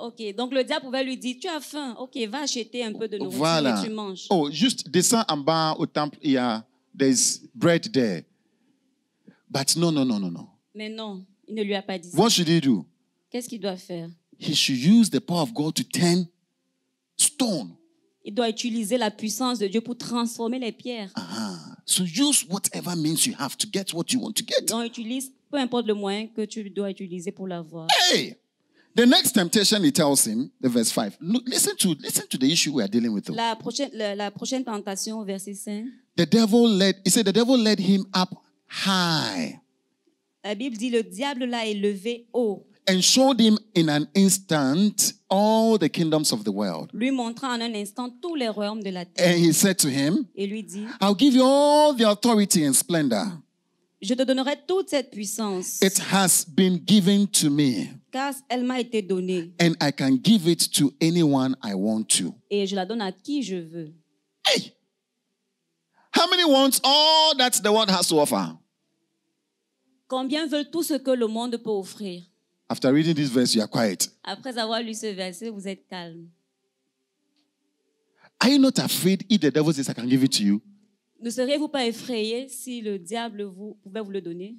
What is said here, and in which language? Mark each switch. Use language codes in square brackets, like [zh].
[fr] Ok, donc le diable pouvait lui dire, "Tu as faim. Ok, va acheter un peu de nourriture voilà. Et tu manges." Oh, juste descend en bas au temple. Il y a [en] there's bread there. But no. [fr] Mais non, il ne lui a pas dit. [en] What should he do? [fr] Qu'est-ce qu'il doit faire? [en] He should use the power of God to turn stone. [fr] Il doit utiliser la puissance de Dieu pour transformer les pierres. Uh-huh. [en] So use whatever means you have to get what you want to get. [fr] Donc utilise peu importe le moyen que tu dois utiliser pour l'avoir. [en] Hey, the next temptation he tells him, the verse 5. Listen to the issue we are dealing with. [fr] La prochaine tentation, verset 5. [en] The devil led him up high. [fr] La Bible dit le diable l'a élevé haut. [en] And showed him in an instant all the kingdoms of the world. [fr] Lui montrant en un instant tous les royaumes de la terre. [en] And he said to him, [fr] et lui dit, [en] I'll give you all the authority and splendor. [fr] Je te donnerai toute cette puissance. [en] It has been given to me. [fr] Car elle m'a été donnée. [en] And I can give it to anyone I want to. [fr] Et je la donne à qui je veux. [en] Hey! How many want all that the world has to offer? [fr] Combien veulent tout ce que le monde peut offrir? [en] After reading this verse, you are quiet. [fr] Après avoir lu ce verset, vous êtes calme. [en] Are you not afraid if the devil says I can give it to you? [fr] Ne seriez-vous pas effrayé si le diable pouvait vous le donner?